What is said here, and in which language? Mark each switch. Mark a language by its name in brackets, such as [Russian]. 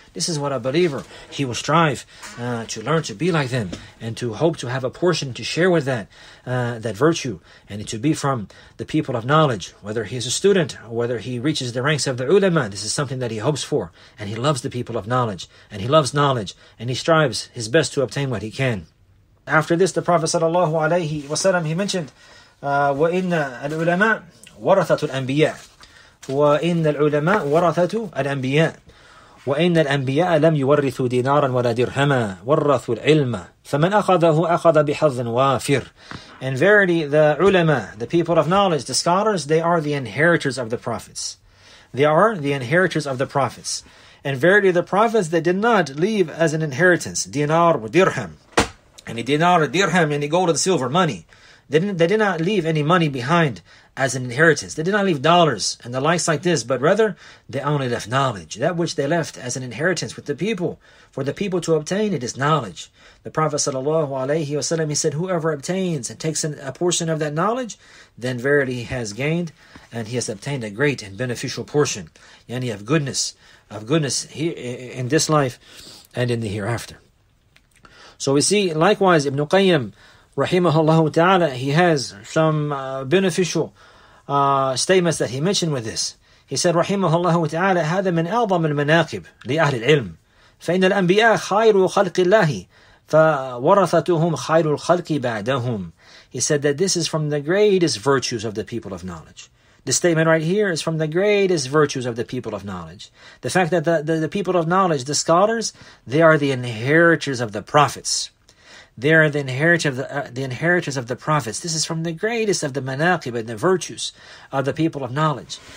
[English] This is what a believer, he will strive to learn to be like them, and to hope to have a portion to share with that that virtue, and to be from the people of knowledge, whether he is a student, or whether he reaches the ranks of the ulama. This is something that he hopes for, and he loves the people of knowledge, and he loves knowledge, and he strives his best to obtain what he can. After this, the Prophet sallallahu alayhi wasallam, he mentioned, [Arabic] وَإِنَّ الْعُلَمَاء وَرَثَةُ الْأَنْبِيَاءِ وَإِنَّ الْعُلَمَاء وَرَثَةُ الْأَنْبِيَاءِ وَإِنَّ الْأَنْبِيَاءَ لَمْ يُوَرِّثُوا دِنَارًا وَلَا دِرْهَمًا وَرَّثُوا الْعِلْمَ فَمَنْ أَخَذَهُ أَخَذَ بِحَظٍ وَافِرٍ. [English] In verity, the ulama, the people of knowledge, the scholars, they are the inheritors of the prophets. They are the inheritors of the prophets. In verity, the prophets, they did not leave as an inheritance dinar or dirham. Any dinar or dirham, any gold and silver, money. They did not leave any money behind as an inheritance. They did not leave dollars and the likes like this, but rather they only left knowledge. That which they left as an inheritance with the people, for the people to obtain, it is knowledge. The Prophet sallallahu alaihi wasallam, he said, whoever obtains and takes a portion of that knowledge, then verily he has gained and he has obtained a great and beneficial portion, yani of goodness in this life and in the hereafter. So we see likewise Ibn Qayyim rahimahullah ta'ala, he has some beneficial statements that he mentioned with this. He said, [Arabic] rahimahullah ta'ala, هذا من أعظم المناقب لأهل العلم فإن الأنبياء خير خلق الله فورثتهم خير الخلق بعدهم. [English] He said that this is from the greatest virtues of the people of knowledge. The statement right here is from the greatest virtues of the people of knowledge. The fact that the people of knowledge, the scholars, they are the inheritors of the prophets. They are the inheritors of the prophets. This is from the greatest of the manaqib and the virtues of the people of knowledge.